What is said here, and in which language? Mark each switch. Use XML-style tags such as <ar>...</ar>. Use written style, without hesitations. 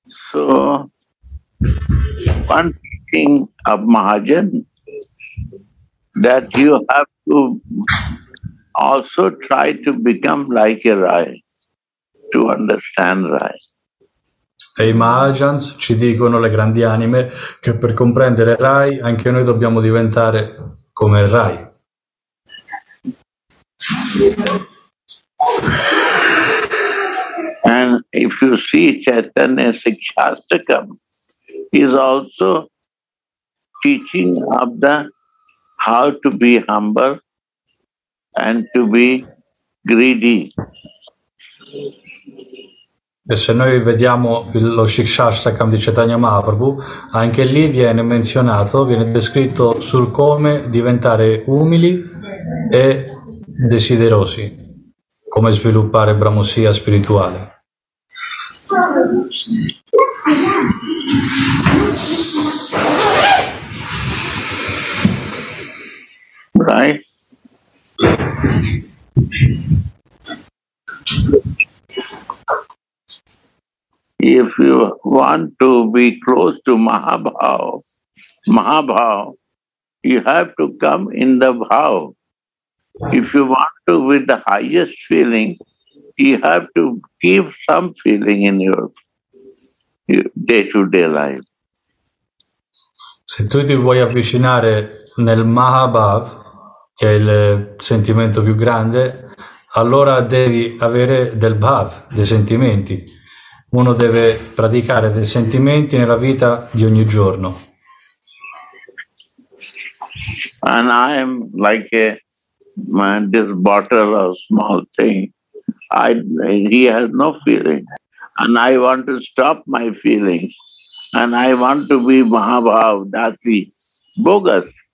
<en>So one thing of Mahajan that you have to also try to become like a Rai to understand Rai.</en> <it>E i Mahajans ci dicono, le grandi anime, che per comprendere Rai anche noi dobbiamo diventare come il Rai.</it> <en>And if you see Chaitanya Sikshastakam is also teaching of the how to be humble and to be greedy.</en> <it>E se noi vediamo lo Shikshastakam di Chaitanya Mahaprabhu, anche lì viene menzionato, viene descritto sul come diventare umili e desiderosi, come sviluppare bramosia spirituale.</it> <en>Right. If you want to be close to Mahabhav, you have to come in the bhav. If you want to be the highest feeling, you have to give some feeling in your day-to-day life.</en> <it>Se tu ti vuoi avvicinare nel Mahabhav, che è il sentimento più grande, allora devi avere del bhav, dei sentimenti. Uno deve praticare dei sentimenti nella vita di ogni giorno.</it> <en>And I am like a this bottle of small thing. He has no feeling. And I want to stop my feelings. And I want to be Mahabhav, Dasi, bogus.</en>